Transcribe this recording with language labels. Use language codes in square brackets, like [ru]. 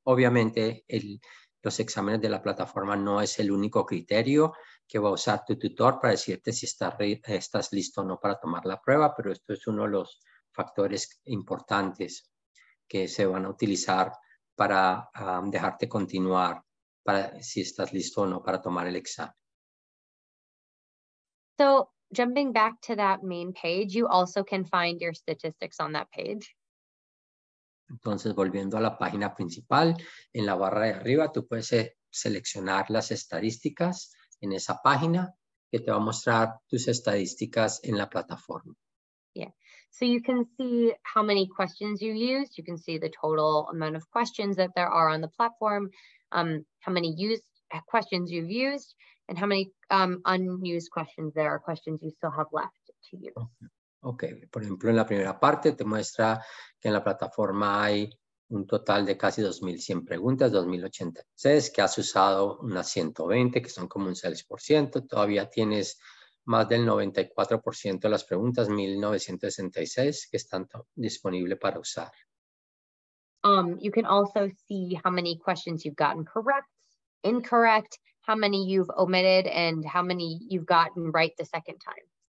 [es] Obviamente, los exámenes de la plataforma no es el único criterio que va a usar tu tutor para decirte si estás listo o no para tomar la prueba, pero esto es uno de los factores importantes que se van a utilizar para dejarte continuar para si estás listo o no para tomar el examen. [en] So, jumping back to that main page, you also can find your statistics on that page. [es] Entonces, volviendo a la página principal, en la barra de arriba tú puedes seleccionar las estadísticas en esa página que te va a mostrar tus estadísticas en la plataforma. [en] Yeah. So you can see how many questions you used. You can see the total amount of questions that there are on the platform, how many used questions you've used, and how many unused questions there are, questions you still have left to use. Okay. [es] Por ejemplo, en la primera parte te muestra que en la plataforma hay un total de casi 2,100 preguntas, 2,086, que has usado unas 120, que son como un 6%. Todavía tienes más del 94% de las preguntas, 1,966, que están disponibles para usar. [en] You can also see how many questions you've gotten correct, incorrect, how many you've omitted, and how many you've gotten right the second time.